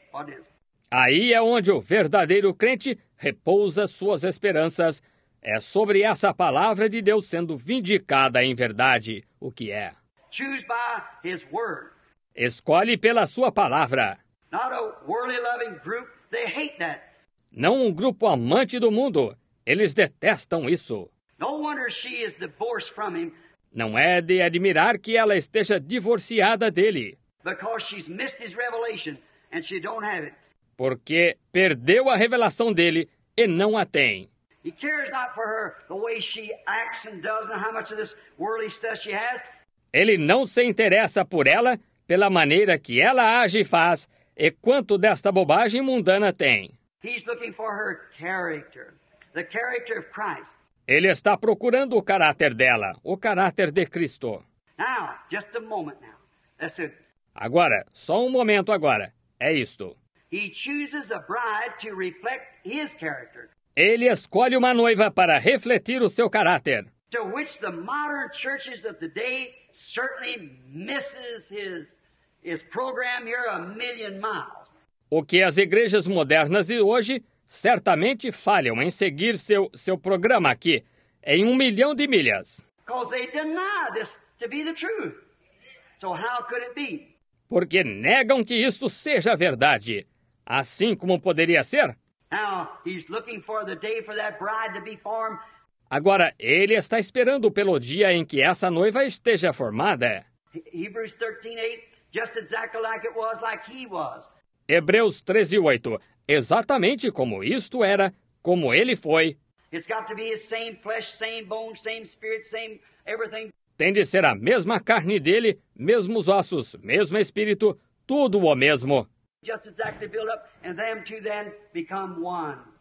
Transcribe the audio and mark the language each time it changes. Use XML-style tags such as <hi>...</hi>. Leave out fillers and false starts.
<en>What is?</en> <pt>Aí é onde o verdadeiro crente repousa suas esperanças. É sobre essa palavra de Deus sendo vindicada em verdade, o que é.</pt> <en>Choose by his word.</en> <pt>Escolhe pela sua palavra.</pt> <en>Not a worldly loving group. They hate that.</en> <pt>Não um grupo amante do mundo. Eles detestam isso.</pt> <en>No wonder she is divorced from him.</en> <pt>Não é de admirar que ela esteja divorciada dele.</pt> <en>Because she's missed his revelation and she don't have it.</en> <pt>Porque perdeu a revelação dele e não a tem.</pt> <en>He cares not for her the way she acts and does and how much of this worldly stuff she has.</en> <pt>Ele não se interessa por ela pela maneira que ela age e faz. E quanto desta bobagem mundana tem?</pt> <en>He's looking for her character, the character of Christ.</en> <pt>Ele está procurando o caráter dela, o caráter de Cristo.</pt> <en>Now, just a moment now. That's it.</en> <pt>Agora, só um momento agora. É isto.</pt> <en>He chooses a bride to reflect his character.</en> <pt>Ele escolhe uma noiva para refletir o seu caráter.</pt> <en>To which the modern churches of the day certainly misses his program here a million miles.</en> <pt>O que as igrejas modernas de hoje certamente falham em seguir seu programa aqui em um milhão de milhas.</pt> <en>Because they deny this to be the truth. So how could it be?</en> <pt>Porque negam que isto seja verdade. Assim como poderia ser?</pt> <en>Now he's looking for the day for that bride to be formed.</en> <pt>Agora ele está esperando pelo dia em que essa noiva esteja formada.</pt> <en>Hebrews 13:8. Just exactly like it was, like he was.</en> <pt>Hebreus 13:8. Exatamente como isto era, como ele foi.</pt> <en>It's got to be his same flesh, same bone, same spirit, same everything.</en> <pt>Tem de ser a mesma carne dele, mesmos ossos, mesmo espírito, tudo o mesmo.</pt> <en>Just exactly built up, and them two then become one.</en>